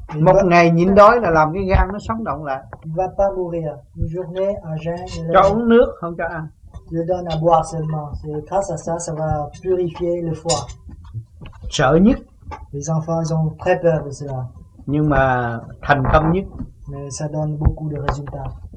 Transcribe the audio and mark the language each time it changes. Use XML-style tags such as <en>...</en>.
<vi>Một ngày nhịn đói là làm cái gan nó sống động lại.</vi> <fr>Il va pas mourir. Une journée à jeûne.</fr> <vi>Cho uống nước không cho ăn.</vi> <fr>Je donne à boire seulement. C'est grâce à ça, ça va purifier le foie.</fr> <vi>Sợ nhất.</vi> <fr>Les enfants ils ont très peur de cela.</fr> <vi>Nhưng mà thành công nhất.</vi> <fr>Mais ça donne beaucoup de résultats.</fr>